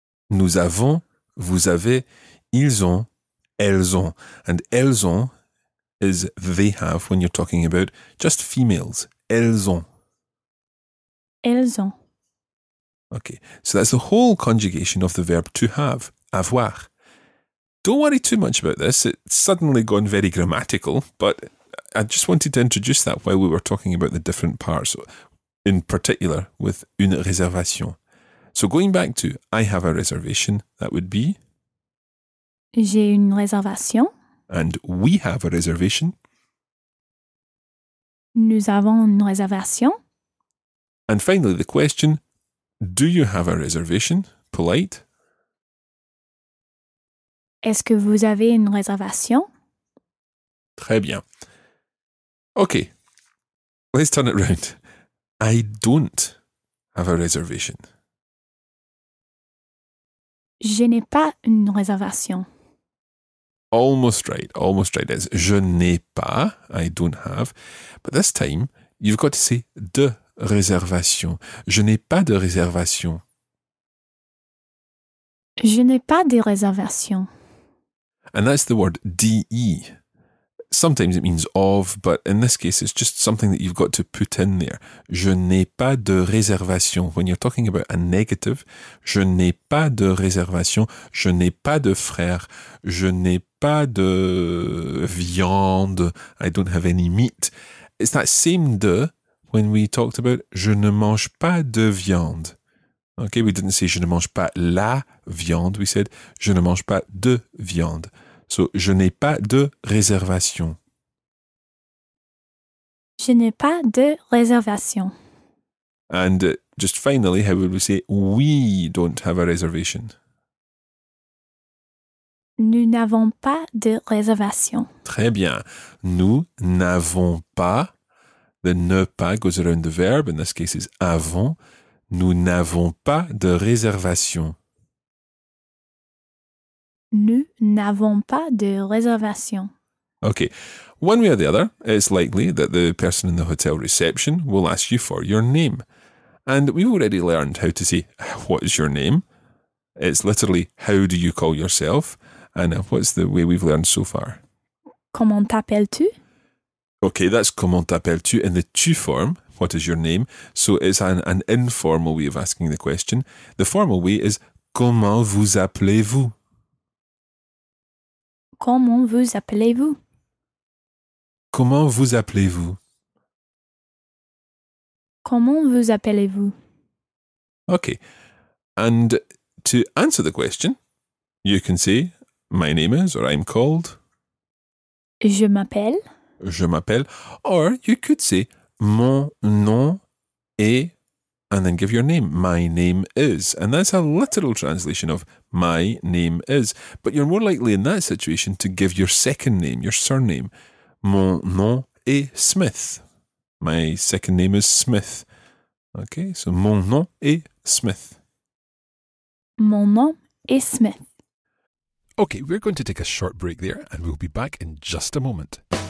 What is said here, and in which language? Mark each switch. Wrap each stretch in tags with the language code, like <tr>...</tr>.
<fr>Nous avons, vous avez, ils ont, elles ont.</fr> <en>And</en> <fr>elles ont</fr> <en>is they have when you're talking about just females.</en> <fr>Elles ont. Elles ont.</fr> <en>Okay, so that's the whole conjugation of the verb to have, avoir. Don't worry too much about this. It's suddenly gone very grammatical, but I just wanted to introduce that while we were talking about the different parts, in particular with</en> <fr>une réservation.</fr> <en>So going back to I have a reservation, that would be?</en> <fr>J'ai une réservation.</fr> <en>And we have a reservation.</en> <fr>Nous avons une réservation.</fr> <en>And finally, the question, do you have a reservation? Polite.</en> <fr>Est-ce que vous avez une réservation? Très bien.</fr> <en>Okay, let's turn it around. I don't have a reservation.</en> <fr>Je n'ai pas une réservation.</fr> <en>Almost right, almost right. It's</en> <fr>je n'ai pas,</fr> <en>I don't have. But this time, you've got to say</en> <fr>de réservation. Je n'ai pas de réservation. Je n'ai pas de réservation.</fr> <en>And that's the word de. Sometimes it means of, but in this case, it's just something that you've got to put in there.</en> <fr>Je n'ai pas de réservation.</fr> <en>When you're talking about a negative,</en> <fr>je n'ai pas de réservation. Je n'ai pas de frère. Je n'ai pas de viande.</fr> <en>I don't have any meat. It's that same de when we talked about</en> <fr>je ne mange pas de viande.</fr> <en>Okay, we didn't say</en> <fr>je ne mange pas la viande.</fr> <en>We said</en> <fr>je ne mange pas de viande.</fr> <en>So,</en> <fr>je n'ai pas de réservation. Je n'ai pas de réservation.</fr> <en>And just finally, how would we say we don't have a reservation?</en> <fr>Nous n'avons pas de réservation. Très bien. Nous n'avons pas. The ne pas</fr> <en>goes around the verb. In this case, it's avons.</en> <fr>Nous n'avons pas de réservation. Nous n'avons pas de réservation.</fr> <en>Okay. One way or the other, it's likely that the person in the hotel reception will ask you for your name. And we've already learned how to say, what is your name? It's literally, how do you call yourself? And what's the way we've learned so far?</en> <fr>Comment t'appelles-tu?</fr> <en>Okay, that's</en> <fr>comment t'appelles-tu</fr> <en>in the tu form, what is your name? So it's an informal way of asking the question. The formal way is,</en> <fr>comment vous appelez-vous? Comment vous appelez-vous? Comment vous appelez-vous? Comment vous appelez-vous?</fr> <en>Okay. And to answer the question, you can say, my name is, or I'm called.</en> <fr>Je m'appelle. Je m'appelle.</fr> <en>Or you could say,</en> <fr>mon nom est,</fr> <en>and then give your name. My name is. And that's a literal translation of my name is. But you're more likely in that situation to give your second name, your surname.</en> <fr>Mon nom est Smith.</fr> <en>My second name is Smith. Okay, so</en> <fr>mon nom est Smith. Mon nom est Smith.</fr> <en>Okay, we're going to take a short break there and we'll be back in just a moment.</en>